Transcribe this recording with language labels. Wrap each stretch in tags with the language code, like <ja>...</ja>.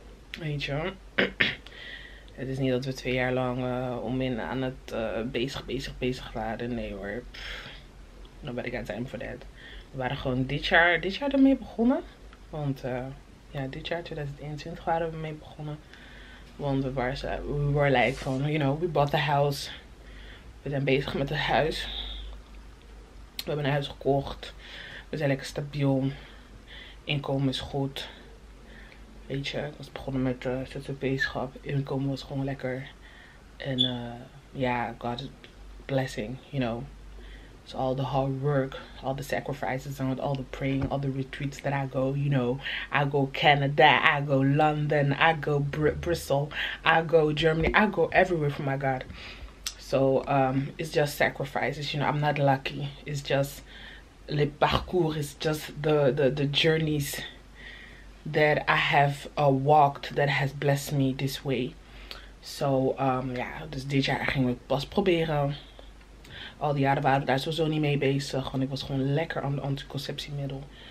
<nl>Weet je, het is niet dat we 2 jaar lang onmin aan het bezig waren. Nee hoor, dan ben ik aan het einde voor dat. We waren gewoon dit jaar ermee begonnen. Want ja, dit jaar 2021 waren we mee begonnen. Want we waren like van,</nl> <en>you know, we bought the house.</en> <nl>We zijn bezig met het huis. We hebben een huis gekocht. We zijn lekker stabiel. Inkomen is goed. Weet je, ik was begonnen met ZZP-schap. Inkomen was gewoon lekker. En ja,</nl> <en>God blessing, you know. So all the hard work, all the sacrifices, and all the praying, all the retreats that I go, you know. I go Canada, I go London, I go Brussels, I go Germany, I go everywhere for my God. So, it's just sacrifices, you know, I'm not lucky. It's just,</en> <fr>le parcours,</fr> <en>it's just the journeys that I have walked that has blessed me this way.</en> <nl>So, ja, dus dit jaar ging ik pas proberen. Al die jaren waren we daar sowieso niet mee bezig, want ik was gewoon lekker aan de anticonceptiemiddel.</nl>